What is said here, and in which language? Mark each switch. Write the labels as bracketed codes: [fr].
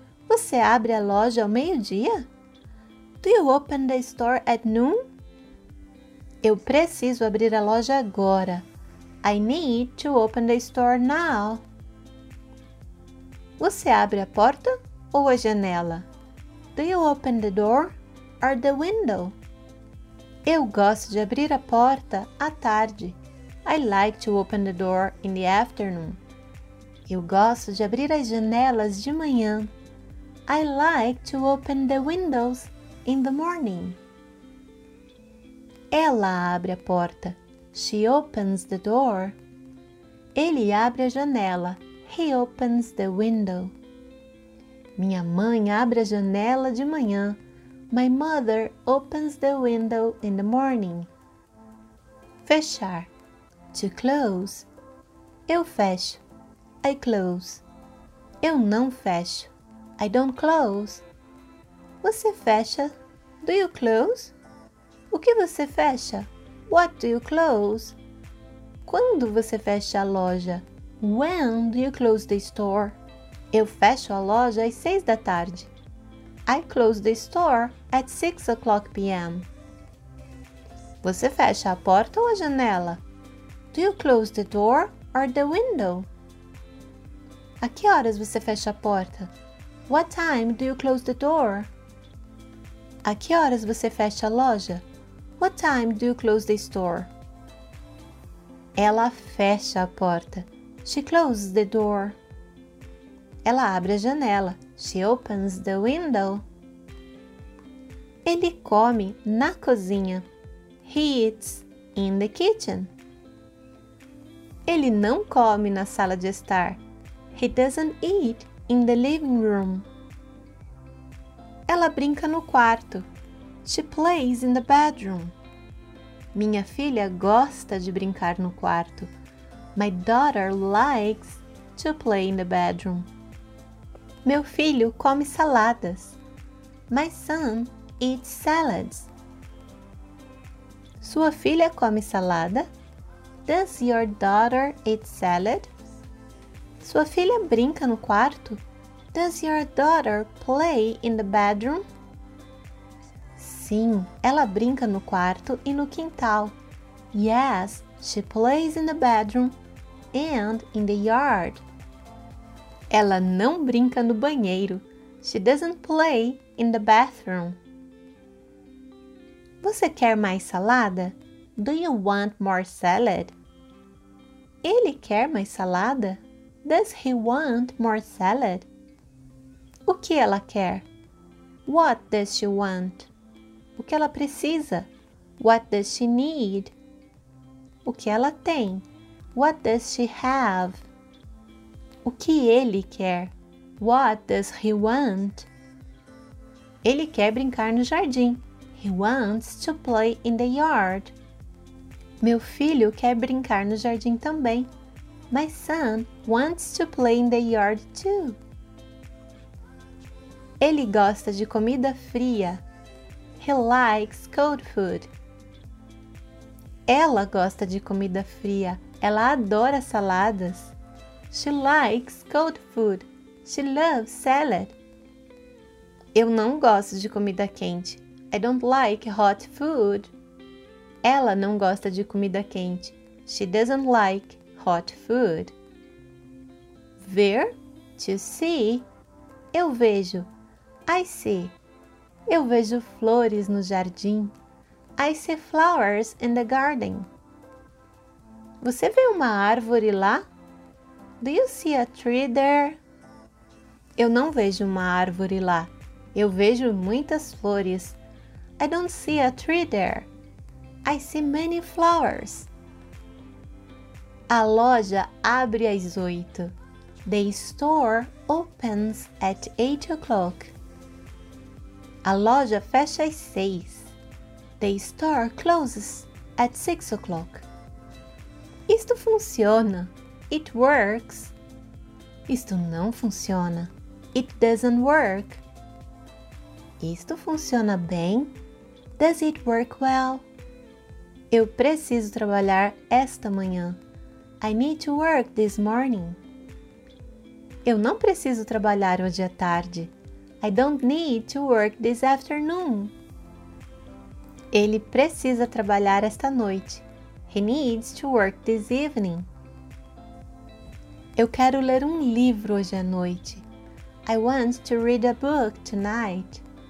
[pt] Você abre a loja ao meio-dia? [en] Do you open the store at noon? [pt] Eu preciso abrir a loja agora. [en] I need to open the store now. [pt] Você abre a porta ou a janela? [en] Do you open the door or the window? [pt] Eu gosto de abrir a porta à tarde. [en] I like to open the door in the afternoon. [pt] Eu gosto de abrir as janelas de manhã. [en] I like to open the windows in the morning. [pt] Ela abre a porta. [en] She opens the door. [pt] Ele abre a janela. [en] He opens the window. [pt] Minha mãe abre a janela de manhã. [en] My mother opens the window in the morning. [pt] Fechar. [en] To close. [pt] Eu fecho. [en] I close. [pt] Eu não fecho. [en] I don't close. [pt] Você fecha. [en] Do you close? [pt] O que você fecha? [en] What do you close? [pt] Quando você fecha a loja? [en] When do you close the store? [pt] Eu fecho a loja às 6 da tarde. [en] I close the store at 6 o'clock p.m. [pt] Você fecha a porta ou a janela? [en] Do you close the door or the window? [pt] A que horas você fecha a porta? [en] What time do you close the door? [pt] A que horas você fecha a loja? [en] What time do you close the store? [pt] Ela fecha a porta. [en] She closes the door. [pt] Ela abre a janela. [en] She opens the window. [pt] Ele come na cozinha. [en] He eats in the kitchen. [pt] Ele não come na sala de estar. [en] He doesn't eat in the living room. [pt] Ela brinca no quarto. [en] She plays in the bedroom. [pt] Minha filha gosta de brincar no quarto. [en] My daughter likes to play in the bedroom. [pt] Meu filho come saladas. [en] My son eats salads. [pt] Sua filha come salada? [en] Does your daughter eat salad? [pt] Sua filha brinca no quarto? [en] Does your daughter play in the bedroom? [pt] Sim, ela brinca no quarto e no quintal. [en] Yes, she plays in the bedroom and in the yard. [pt] Ela não brinca no banheiro. [en] She doesn't play in the bathroom. [pt] Você quer mais salada? [en] Do you want more salad? [pt] Ele quer mais salada? [en] Does he want more salad? [pt] O que ela quer? [en] What does she want? [pt] O que ela precisa? [en] What does she need? [pt] O que ela tem? [en] What does she have? [pt] O que ele quer? [en] What does he want? [pt] Ele quer brincar no jardim. [en] He wants to play in the yard. [pt] Meu filho quer brincar no jardim também. [en] My son wants to play in the yard too. [pt] Ele gosta de comida fria. [en] He likes cold food. [pt] Ela gosta de comida fria. Ela adora saladas. [en] She likes cold food. She loves salad. [pt] Eu não gosto de comida quente. [en] I don't like hot food. [pt] Ela não gosta de comida quente. [en] She doesn't like hot food. [pt] Ver, [en] to see. [pt] Eu vejo. [en] I see. [pt] Eu vejo flores no jardim. [en] I see flowers in the garden. [pt] Você vê uma árvore lá? [en] Do you see a tree there? [pt] Eu não vejo uma árvore lá. Eu vejo muitas flores. [en] I don't see a tree there. I see many flowers. [pt] A loja abre às 8. [en] The store opens at 8 o'clock. [pt] A loja fecha às 6. [en] The store closes at 6 o'clock. [pt] Isto funciona. [en] It works. [pt] Isto não funciona. [en] It doesn't work. [pt] Isto funciona bem? [en] Does it work well? [pt] Eu preciso trabalhar esta manhã. [en] I need to work this morning. [pt] Eu não preciso trabalhar hoje à tarde. [en] I don't need to work this afternoon. [pt] Ele precisa trabalhar esta noite. [en] He needs to work this evening. [pt] Eu quero ler um livro hoje à noite. [en] I want to read a book tonight.